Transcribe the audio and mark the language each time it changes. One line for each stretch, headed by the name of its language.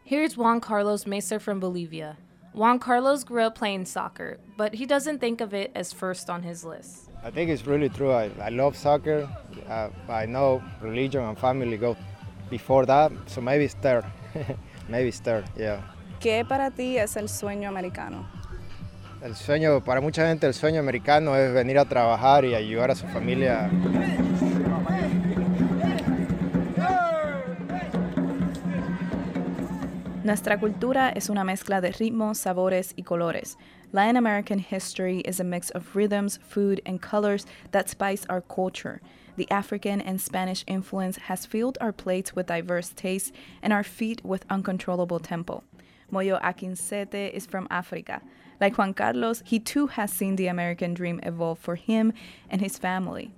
English: Here's Juan Carlos Mesa from Bolivia. Juan Carlos grew up playing soccer, but he doesn't think of it as first on his list. I think it's really true. I love soccer. I know religion and family go before that, so maybe it's third. Maybe it's third, yeah.
Spanish: ¿Qué para ti es el sueño americano? El sueño, para mucha gente, el sueño americano es venir a trabajar y ayudar a su familia. Nuestra cultura es una mezcla de ritmos, sabores y colores.
English: Latin American history is a mix of rhythms, food, and colors that spice our culture. The African and Spanish influence has filled our plates with diverse tastes and our feet with uncontrollable tempo. Moyo Akinsete is from Africa. Like Juan Carlos, he too has seen the American dream evolve for him and his family.